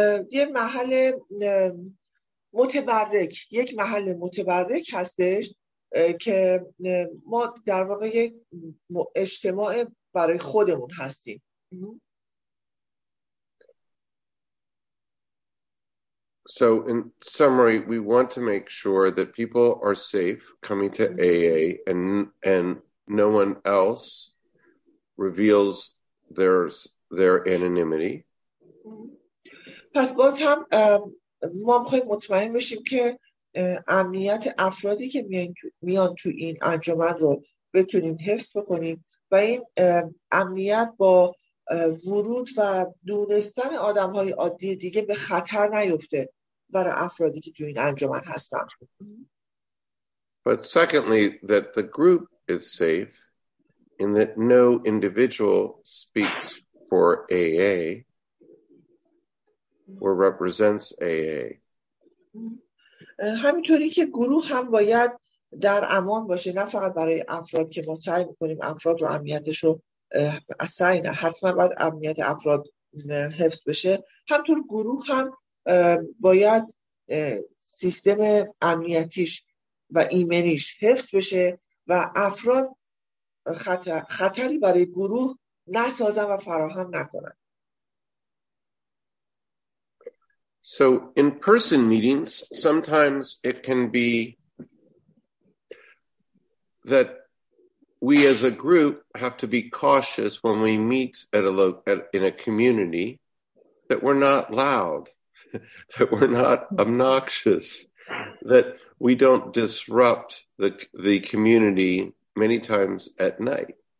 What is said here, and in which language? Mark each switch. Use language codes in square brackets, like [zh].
[fa] یه محل متبرک، یک محل متبرک هستش که ما در واقع یک اجتماع برای خودمون هستیم. [en] So in summary, we want to make sure that people are safe coming to AA and no one else reveals their anonymity. [fa] پس باز هم ما میخواییم مطمئن بشیم که امنیت افرادی که میان تو این انجمن رو بتونیم حفظ بکنیم و این امنیت با ورود و دونستن آدم های عادی دیگه به خطر نیفته برای افرادی که تو این انجمن هستن. [en] But secondly, that the group is safe in that no individual speaks for AA or represents AA. [fa] همینطوری که گروه هم باید در امان باشه، نه فقط برای افراد که ما سعی میکنیم افراد رو امنیتش رو اصلا نه، حتما باید امنیت افراد حفظ بشه، همطور گروه هم باید سیستم امنیتیش و ایمنیش حفظ بشه و افراد خطری برای گروه نسازن و فراهم نکنن. [en] So in person meetings, sometimes it can be that we as a group have to be cautious when we meet in a community that we're not loud, that we're not obnoxious, that we don't disrupt the community many times at night.